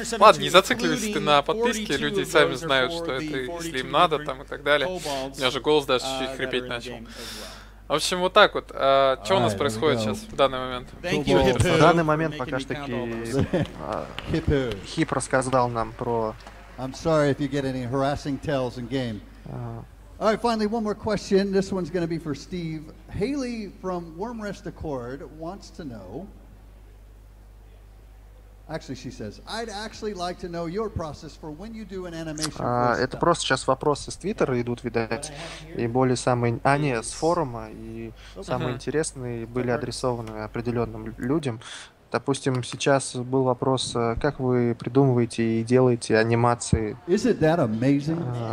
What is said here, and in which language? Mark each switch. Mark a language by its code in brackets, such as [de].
[ru] Ладно, не зацикливайся ты на подписке, люди сами знают, что это, если им надо, там и так далее. У меня же голос даже чуть-чуть хрипеть начал. В общем, вот так вот. А, что у нас происходит сейчас, в данный момент? В данный момент пока что таки Хип рассказал нам про... [en] I'm sorry if you get any harassing tales in game. All right, finally, one more question. This one's going to be for Steve. Haley from Wormrest Accord wants to know... Actually, she says, I'd actually like to know your process for when you do an animation. [ru] Это просто сейчас вопросы с Твиттера идут, видать, и более самые... А, нет, с форума, и самые интересные были адресованы определенным людям. Допустим, сейчас был вопрос, как вы придумываете и делаете анимации? [en] Isn't that amazing?